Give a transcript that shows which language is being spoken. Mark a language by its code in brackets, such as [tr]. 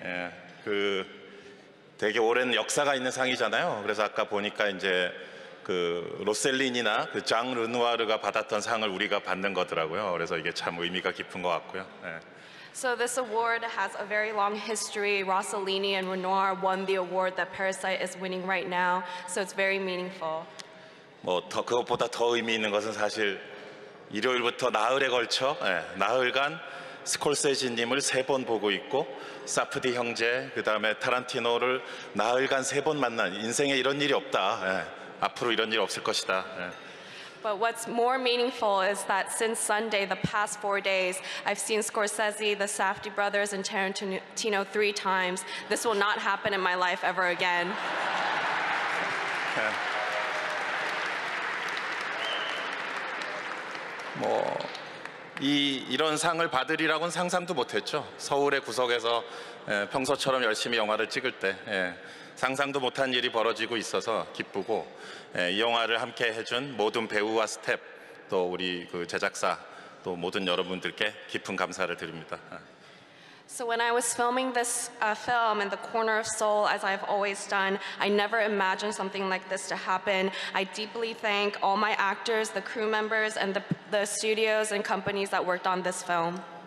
[ko] 예, 그 되게 오랜 역사가 있는 상이잖아요. 그래서 아까 보니까 이제 그 로셀린이나 그 장 르누아르가 받았던 상을 우리가 받는 거더라고요. 그래서 이게 참 의미가 깊은 것 같고요. 예. [en] So this award has a very long history. Rossellini and Renoir won the award that Parasite is winning right now. So it's very meaningful. [ko] 뭐 더 그것보다 더 의미 있는 것은 사실 일요일부터 나흘에 걸쳐 예, 나흘간 스콜세지님을 세 번 보고 있고 사프디 형제 그 다음에 타란티노를 나흘간 세 번 만난 인생에 이런 일이 없다 예, 앞으로 이런 일 없을 것이다. 예. [en] But what's more meaningful is that since Sunday, the past 4 days, I've seen Scorsese, the Safdie brothers, and Tarantino 3 times. This will not happen in my life ever again. Yeah. [ko] 뭐 이런 상을 받으리라고는 상상도 못했죠. 서울의 구석에서 예, 평소처럼 열심히 영화를 찍을 때 예, 상상도 못한 일이 벌어지고 있어서 기쁘고 예, 이 영화를 함께 해준 모든 배우와 스태프 또 우리 그 제작사 또 모든 여러분들께 깊은 감사를 드립니다. [en] So when I was filming this film in the corner of Seoul, as I've always done, I never imagined something like this to happen. I deeply thank all my actors, the crew members, and the studios and companies that worked on this film.